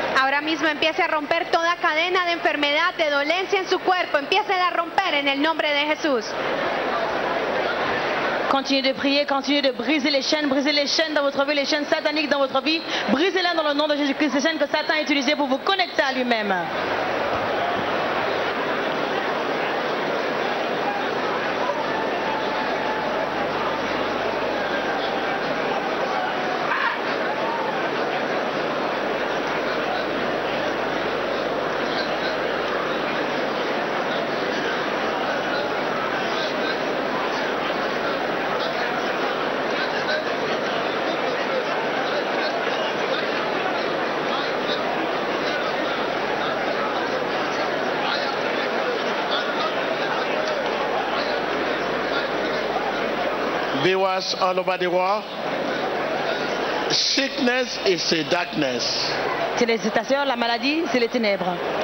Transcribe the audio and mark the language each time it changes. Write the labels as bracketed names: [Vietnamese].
[Spanish] Ahora mismo empiece a romper toda cadena de enfermedad, de dolencia en su cuerpo. Empiece a romper en el nombre de Jesús. [French] Continue de prier, continue de briser les chaînes dans votre vie, les chaînes sataniques dans votre vie. Brisez-les dans le nom de Jésus-Christ, les chaînes que Satan a utilisées pour vous connecter à lui-même. [English] Viewers all over the world, sickness is a darkness. [French] Télévision, la maladie, c'est les ténèbres.